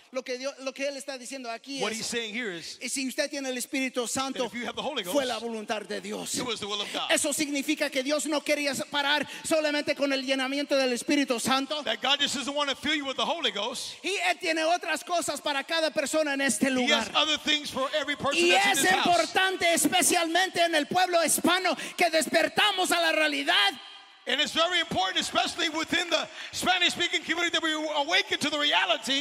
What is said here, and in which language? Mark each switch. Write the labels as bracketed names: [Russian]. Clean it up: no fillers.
[Spanish] Lo que Dios, lo que él está diciendo aquí [English] what [Spanish] es, [English] he's saying here is [Spanish] si usted tiene el Espíritu Santo, [English] that if you have the Holy Ghost, [Spanish] fue la voluntad de Dios. [English] It was the will of God. [Spanish] Eso significa que Dios no quería parar solamente con el llenamiento del Espíritu Santo. [English] That God just doesn't want to fill you with the Holy Ghost. [Spanish] Y él tiene otras cosas para cada persona en este lugar. [English] He has other things for every person [Spanish] y [English] that's [Spanish] es [English] in this [Spanish] importante, [English] house. [Spanish] Especialmente en el pueblo hispano, que despertamos a la realidad. [English] And it's very important, especially within the Spanish-speaking community, that we awaken to the reality